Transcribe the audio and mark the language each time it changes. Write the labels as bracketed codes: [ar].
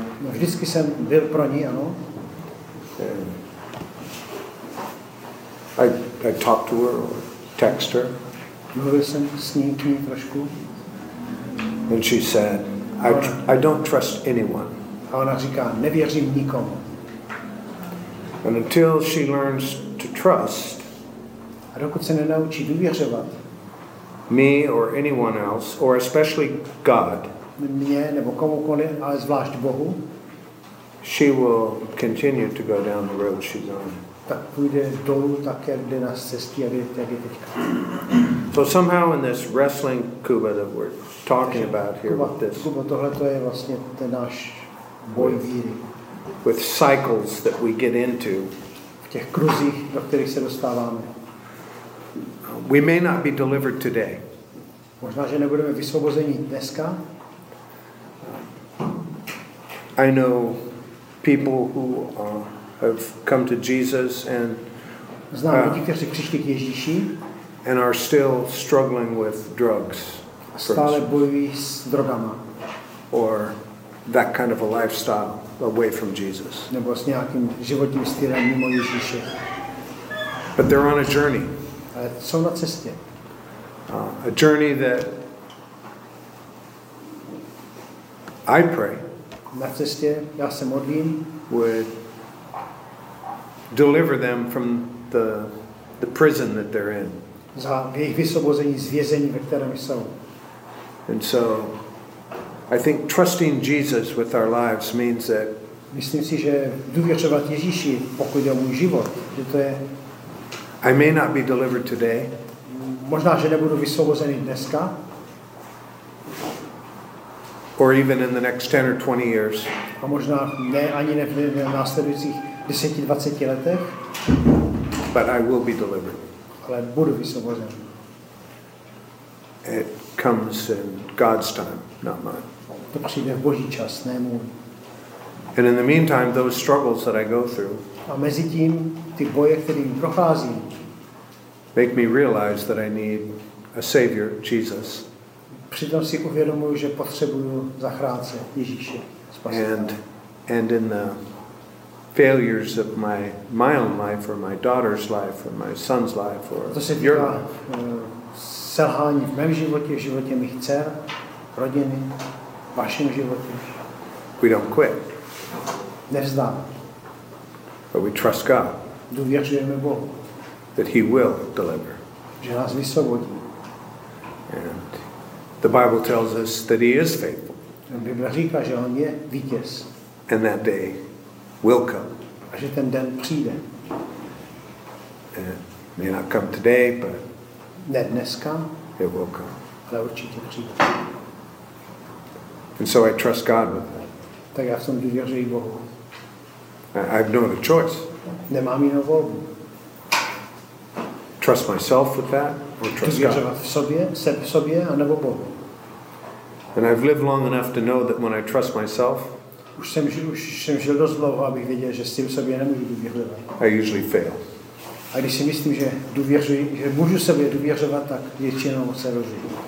[cs] Vždycky jsem byl pro ní, ano. [en] I talked to her or text her. [cs] Mluvil jsem s ní k ní trošku. [en] And she said, I don't trust anyone. [cs] A ona říká, nevěřím nikomu. [en] And until she learns to trust, [cs] a dokud se nenaučí důvěřovat, [en] me or anyone else, or especially God, [cs] mě nebo komukoli, ale zvlášť Bohu, [en] she will continue to go down the road she's on. [cs] Tak půjde dolů, tak jak jde na cestě, jak je teďka. [en] So somehow in this wrestling Kuba that we're talking about here [cs] Kuba, [en] with this. [cs] Kuba, tohle to je vlastně ten náš boj víry. [en] With cycles that we get into. [cs] V těch kruzích, do kterých se dostáváme. [en] We may not be delivered today. [cs] Možná, že nebudeme vysvobozeni dneska. [en] I know people who have come to Jesus and [cs] znám lidi, kteří přišli k Ježíši. [en] And are still struggling with drugs. [cs] Stále bojují s drogama. [en] Or that kind of a lifestyle away from Jesus. [cs] Nebo s nějakým životním stylem mimo Ježíše. [en] But they're on a journey. [cs] Ale jsou na cestě. [en] A journey that I pray. [cs] Na cestě, já se modlím. [en] Would deliver them from the prison that they're in. [cs] Za jejich vysvobození z vězení, ve kterém jsou. [en] And so, I think trusting Jesus with our lives means that. [cs] Myslím si, že důvěřovat Ježíši, pokud je můj život, že to je. [en] I may not be delivered today. [cs] Možná, že nebudu vysvobozený dneska. [en] Or even in the next 10 or 20 years. [cs] A možná ne, ani ne v následujících 10-20 letech. [en] But I will be delivered. [cs] Ale budu vysvobozen. [en] It comes in God's time, not mine. [cs] To přijde v Boží čas, ne můj. [en] And in the meantime, those struggles that I go through. [cs] A mezi tím, ty boje, kterým procházím. [en] Make me realize that I need a savior, Jesus. [cs] Přitom si uvědomuji, že potřebuju zachránce Ježíše, spasitele. [en] And in the failures of my own life or my daughter's life or my son's life or [cs] to se týká selhání v mém životě, v životě mých dcer, rodiny, v vašem životě. [en] We don't quit. [cs] Nevzdáme. [en] But we trust God. [cs] Důvěřujeme Bohu. [en] That he will deliver. [cs] Že nás vysvobodí. [en] And the Bible tells us that he is faithful. [cs] Biblia říká, že on je vítěz. [en] And that day will come. [cs] A že ten den přijde. [en] And May not come today, but [cs] ne dneska, [en] it will come. [cs] Ale určitě přijde. [en] And so I trust God with that. [cs] Tak já jsem důvěřuji Bohu. [en] I have no other choice. [cs] Nemám jinou volbu. [en] Trust myself with that or trust God. [cs] Důvěřovat sobě, anebo Bohu. [en] And I've lived long enough to know that when I trust myself, [cs] už jsem žil dost dlouho, abych věděl, že s tím sobě nemůžu důvěřovat. [en] I usually fail. [cs] A když si myslím, že důvěřuji, že můžu sobě důvěřovat, tak většinou se rozhodnu.